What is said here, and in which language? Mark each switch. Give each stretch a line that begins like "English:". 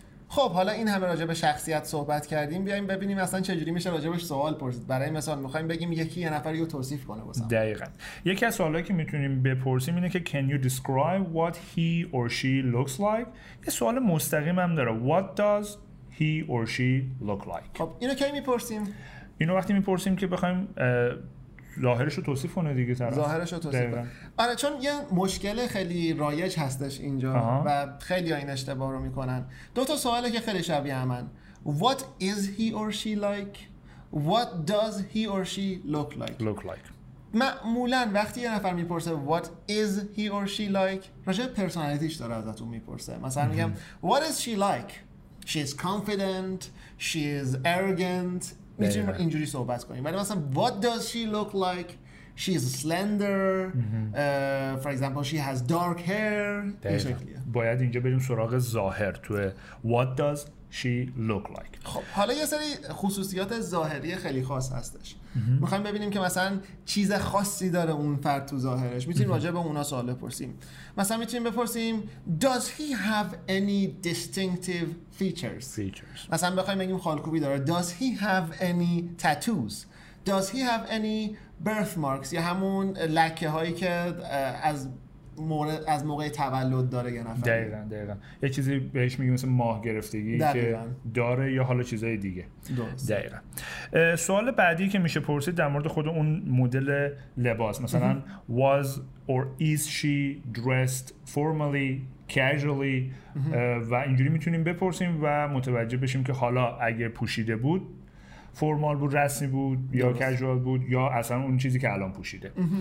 Persian: خب حالا این همه راجع به شخصیت صحبت کردیم، بیایم ببینیم اصلا چجوری میشه راجبش سوال پرسید. برای مثال میخوایم بگیم یکی یه نفر رو توصیف کنه واسه. دقیقاً. یکی از سوالایی که میتونیم بپرسیم اینه که can you describe what he or she looks like؟ یه سوال مستقیم هم داره.
English: What does he or she look like؟
Persian: خب اینو کی میپرسیم؟ اینو وقتی میپرسیم که بخوایم ظاهرشو توصیف کنه دیگه طرف. ظاهرشو توصیف کنه. آره، چون یه مشکل خیلی رایج هستش اینجا. آها. و خیلی‌ها این اشتباه رو می‌کنن. دو تا سواله که خیلی شبیه همن. What is he or she like?
English: What does he or she look like? Look like.
Persian: معمولاً وقتی یه نفر میپرسه what is he or she like، راجع به پرسونالیتیش داره ازتون میپرسه.
English: مثلا میگم what is she like? She is confident, she is arrogant.
Persian: میتونیم اینجوری صحبت کنیم.
English: ولی مثلا what does she look like؟ She is slender. For example, she has dark hair.
Persian: باید اینجا بریم سراغ ظاهر تو what does she look like. خب حالا یه سری خصوصیات ظاهری خیلی خاص هستش. میخوایم ببینیم که مثلا چیز خاصی داره اون فرد تو ظاهرش. میتونیم راجع به اونا سوال بپرسیم.
English: مثلا میتونیم بپرسیم does he have any distinctive features.
Persian: مثلا بخوایم بگیم خالکوبی داره.
English: Does he have any tattoos?
Persian: Does he have any birthmarks؟ یا همون لکه هایی که از مورد از موقع تولد داره یه نفر. دقیقاً. یه چیزی بهش میگیم مثل ماه گرفتگی که داره یا حالا چیزای دیگه. درست. دقیقاً. سوال بعدی که میشه پرسید در مورد خود اون مدل لباس، مثلا was or is she dressed formally casually؟ و اینجوری میتونیم بپرسیم و متوجه بشیم که حالا اگه پوشیده بود فرمال بود، رسمی بود یا کژوال بود یا اصلا اون چیزی که الان پوشیده.